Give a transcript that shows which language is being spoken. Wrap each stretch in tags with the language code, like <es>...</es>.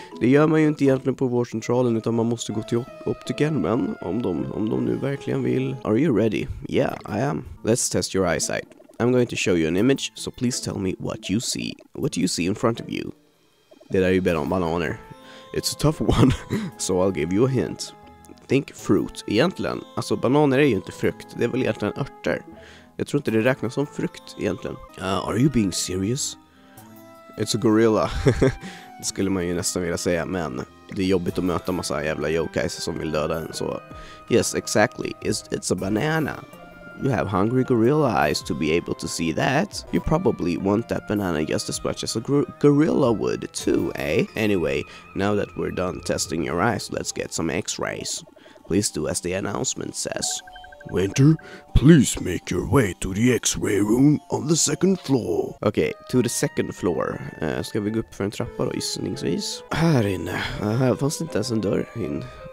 <sv>Det gör man ju inte egentligen på vårdcentralen, utan man måste gå till optiken, men om de nu verkligen vill.</sv> <en>Are you ready? Yeah, I am. Let's test your eyesight. I'm going to show you an image, so please tell me what you see. What do you see in front of you?</en> <sv>Det där är ju bett om bananer.</sv> <en>It's a tough one, so I'll give you a hint. Think fruit.</en> <sv>Egentligen, alltså bananer är ju inte frukt. Det är väl egentligen örter. Jag tror inte det räknas som frukt egentligen.</sv> <en>Are you being serious? It's a gorilla.</en> <sv>Det skulle man ju nästan vilja säga, men det är jobbigt att möta massa jävla yokais som vill döda en, så...</sv> <en>Yes, exactly. It's a banana. You have hungry gorilla eyes to be able to see that. You probably want that banana just as much as a gorilla would too, eh? Anyway, now that we're done testing your eyes, let's get some x-rays. Please do as the announcement says. Winter, please make your way to the x-ray room on the second floor. Okay, to the second floor.</en> <sv>Ska vi gå upp för en trappa då, gissningsvis? Här inne. Här fanns inte ens en dörr in.</sv>